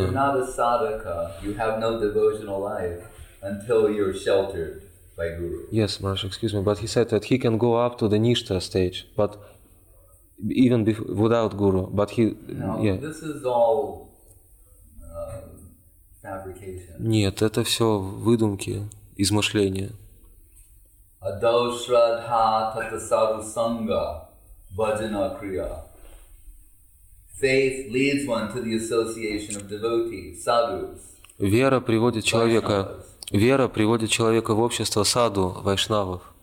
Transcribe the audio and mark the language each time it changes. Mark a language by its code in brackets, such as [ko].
[en] You're not a sadhaka, you have no devotional life until you're sheltered by Guru. Yes, Maharaj, excuse me, but he said that he can go up to the nishta stage, but even before, without Guru, but he... No, yeah. This is all fabrication. [ru] Нет, это все выдумки, измышления. [sa] Адау Шрадха Тата Саду Санга Бхаджана Крия. [en] Faith leads one to the association of devotees, sadhus. [ru] Вера приводит человека в общество саду, вайшнавов.